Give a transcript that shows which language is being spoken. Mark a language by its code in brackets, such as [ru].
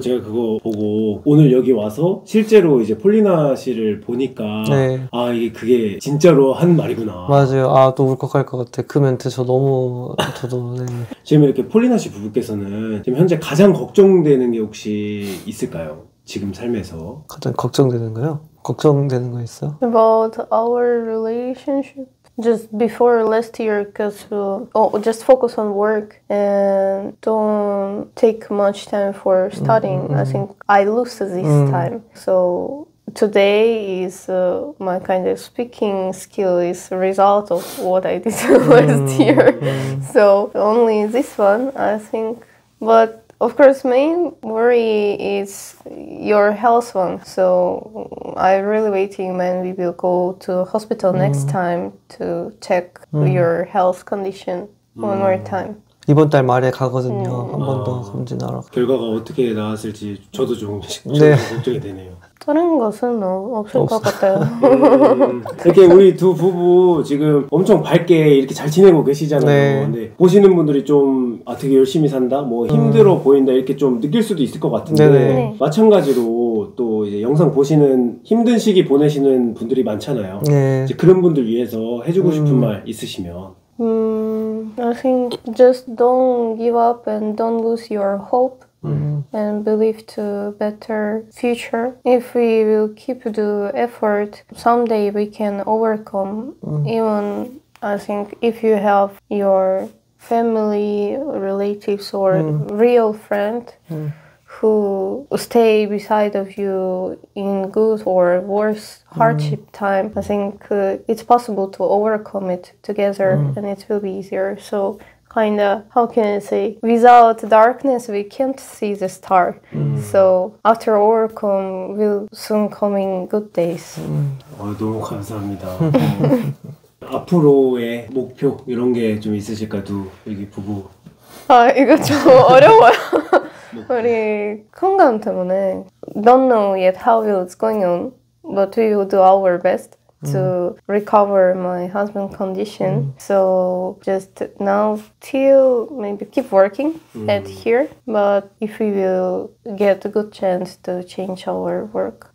[ko] 제가 그거 보고 오늘 여기 와서 실제로 이제 폴리나 씨를 보니까 네. 아 이게 그게 진짜로 한 말이구나. 맞아요. 아 또 울컥할 것 같아 그 멘트. 저 너무 저도 네. 지금 이렇게 폴리나 씨 부부께서는 지금 현재 가장 걱정되는 게 혹시 있을까요? 지금 삶에서 가장 걱정되는 거요? 걱정되는 거 있어? [en] About our relationship just before last year because we just focus on work and don't take much time for studying. I think I lose this time. So today is my kind of speaking skill is a result of what I did last year. So only this one, I think. But of course, main worry is your health one. So I'm really waiting when we will go to hospital next time to check your health condition one more time. [ko] 이번 달 말에 가거든요. 한 번 더 검진하러. 결과가 어떻게 나왔을지 저도 좀 걱정이 되네요. 다른 것은 없을 것 같아요. 이렇게 우리 두 부부 지금 엄청 밝게 이렇게 잘 지내고 계시잖아요. 네. 근데 보시는 분들이 좀 아, 되게 열심히 산다? 뭐 힘들어 보인다? 이렇게 좀 느낄 수도 있을 것 같은데 네네. 마찬가지로 또 이제 영상 보시는 힘든 시기 보내시는 분들이 많잖아요. 네. 이제 그런 분들 위해서 해주고 싶은 말 있으시면 [en] I think just don't give up and don't lose your hope. And believe to better future. If we will keep the effort, someday we can overcome. Even I think if you have your family, relatives or real friend who stay beside of you in good or worse hardship time, I think it's possible to overcome it together and it will be easier. So kind of, how can I say, without darkness we can't see the star. So after overcome will soon coming good days. [ko] 너무 감사합니다. 앞으로의 목표 이런 게 좀 있으실까요? 여기 부부. 아, 이거 좀 어려워요. 우리 건강 때문에 [en] don't know yet how it's going on, but we will do our best to recover my husband's condition. So just now till maybe keep working at here, but if we will get a good chance to change our work.